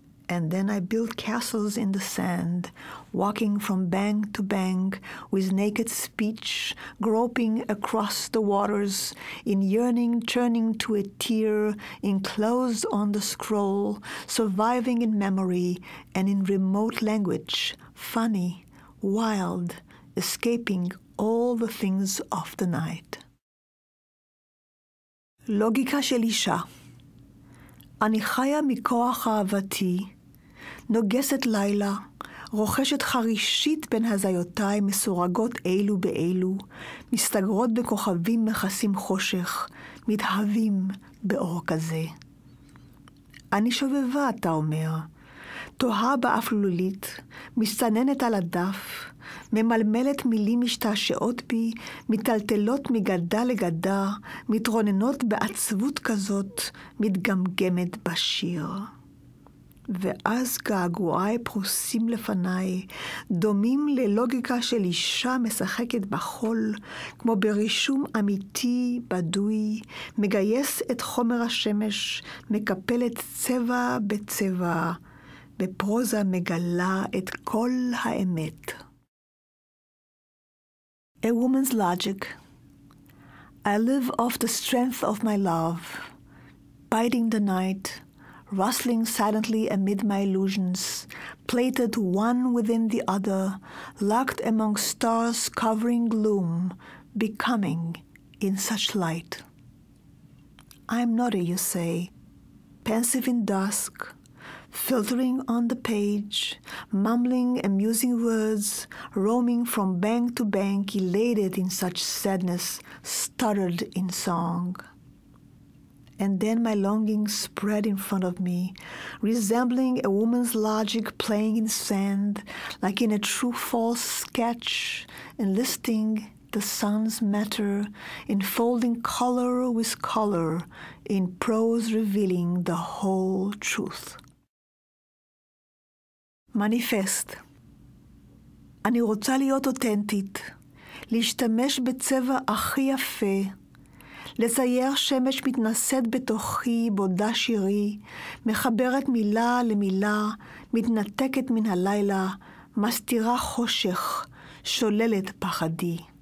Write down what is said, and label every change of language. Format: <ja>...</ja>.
<en>And then I build castles in the sand, walking from bank to bank with naked speech, groping across the waters, in yearning turning to a tear, enclosed on the scroll, surviving in memory and in remote language, funny, wild, escaping all the things of the night.</en> <he>Logika של אישה. אני חיה מכוח אהבתי, נוגסת לילה, רוכשת חרישית בין הזיותיי מסורגות אלו באלו, מסתגרות בכוכבים מכסים חושך, מתהווים באור כזה. אני שובבה, אתה אומר, תוהה באפלולית, מסננת על הדף, ממלמלת מילים משתעשעות בי, מטלטלות מגדה לגדה, מתרוננות בעצבות כזאת, מתגמגמת בשיר. ואז געגועיי פרוסים לפניי, דומים ללוגיקה של אישה משחקת בחול, כמו ברישום אמיתי, בדוי, מגייס את חומר השמש, מקפלת צבע בצבע, בפרוזה מגלה את כל האמת.</he> <en>A woman's logic. I live off the strength of my love, biting the night, rustling silently amid my illusions, plated one within the other, locked among stars covering gloom, becoming in such light. I am not a, you say, pensive in dusk, filtering on the page, mumbling amusing words, roaming from bank to bank, elated in such sadness, stuttered in song. And then my longing spread in front of me, resembling a woman's logic playing in sand, like in a true-false sketch, enlisting the sun's matter, enfolding color with color, in prose revealing the whole truth. Manifest.</en> <he>אני רוצה להיות אותנטית, להשתמש בצבע הכי יפה, לצייר שמש מתנסית בתוכי בודה שירי, מחברת מילה למילה, מתנתקת מן הלילה, מסתירה חושך, שוללת פחדי.</he>